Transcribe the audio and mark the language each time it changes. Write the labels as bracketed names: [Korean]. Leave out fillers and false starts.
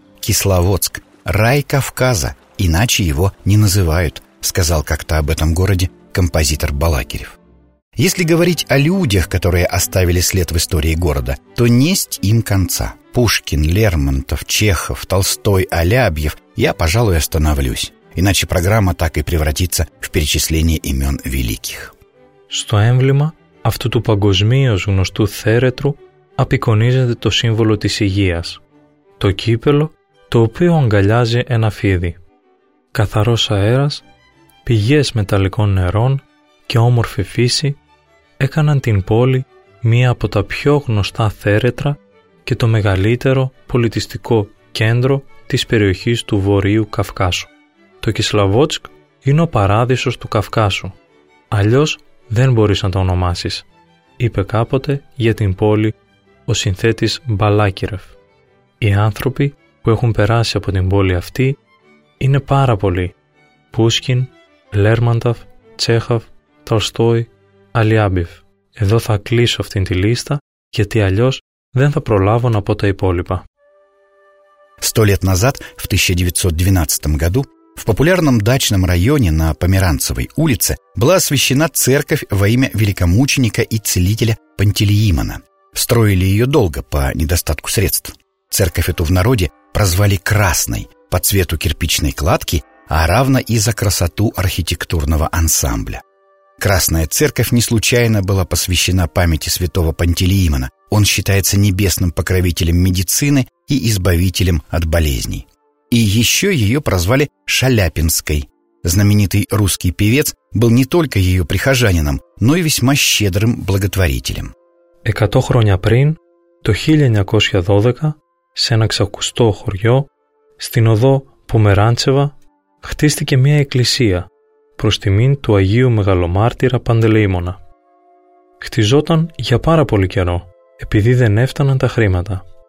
[Russian] Кисловодск – рай Кавказа, иначе его не называют, сказал как-то об этом городе композитор Балакирев. Если говорить о людях, которые оставили след в истории города, то несть им конца. Пушкин, Лермонтов, Чехов, Толстой, Алябьев, я, пожалуй, остановлюсь. Иначе программа так и превратится в перечисление имен великих. [Greek] Στο έμβλημα αυτού του παγκοσμίως γνωστού θέρετρου απεικονίζεται το σύμβολο της υγείας. Το κύπελο, το οποίο αγκαλιάζει ένα φίδι. Καθαρός αέρας, πηγές μεταλλικών νερών και όμορφη φύση έκαναν την πόλη μία από τα πιο γνωστά θέρετρα και το μεγαλύτερο πολιτιστικό κέντρο της περιοχής του Βορείου Καυκάσου. Το Κισλαβότσκ είναι ο παράδεισος του Καυκάσου. Αλλιώς δεν μπορείς να το ονομάσεις, είπε κάποτε για την πόλη ο συνθέτης Μπαλάκιρεφ. Οι άνθρωποι που έχουν περάσει από την πόλη αυτή είναι πάρα πολλοί. Πούσκιν, Λέρμανταφ, Τσέχαβ, Τολστόι, Αλιάμπιφ. Εδώ θα κλείσω αυτήν τη λίστα, γιατί αλλιώς δεν θα προλάβω να πω τα υπόλοιπα. [Russian] 100 лет назад, в 1912 году, в популярном дачном районе на Померанцевой улице была освящена церковь во имя великомученика и целителя Пантелеимона. Строили ее долго, по недостатку средств. Церковь эту в народе прозвали «красной» по цвету кирпичной кладки, а равно и за красоту архитектурного ансамбля. Красная церковь не случайно была посвящена памяти святого Пантелеимона. Он считается небесным покровителем медицины и избавителем от болезней. И еще ее прозвали «Шаляпинской». Знаменитый русский певец был не только ее прихожанином, но и весьма щедрым благотворителем. [Greek] 100 хроня прин, то 1912, σε ένα ξακουστό χωριό, στην οδό Πομεράντσεβα, χτίστηκε μια εκκλησία προς τιμήν του Αγίου Μεγαλομάρτυρα Παντελεήμονα. Χτιζόταν για πάρα πολύ καιρό, επειδή δεν έφταναν τα χρήματα.